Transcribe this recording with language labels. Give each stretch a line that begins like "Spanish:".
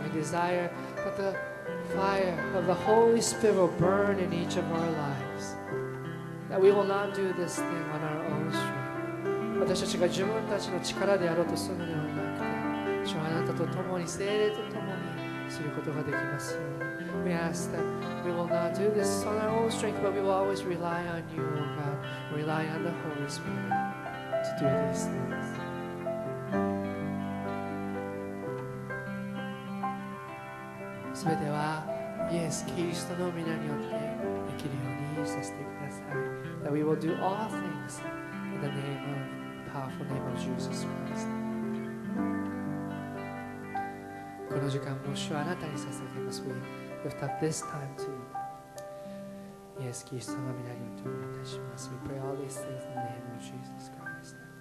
English: We desire that the fire of the Holy Spirit will burn in each of our lives. That we will not do this thing on our own strength.
Japanese: 私たちが自分たちの力でやろうとするのではなくて、主はあなたと共に、聖霊と共にすることができますように。
English: We ask that we will not do this on our own strength, but we will always rely on you, O God, rely on the Holy Spirit to do these things.
Japanese: すべてはイエス・キリストの御名によってできるようにさせてください。
English: That we will do all things in the name of God. Powerful name of Jesus Christ.
Japanese: この時間も主はあなたに捧げます。
English: We lift up this time to you.
Japanese: イエス・キリストの御名によってお祈りいたします。
English: We pray all these things in the name of Jesus Christ.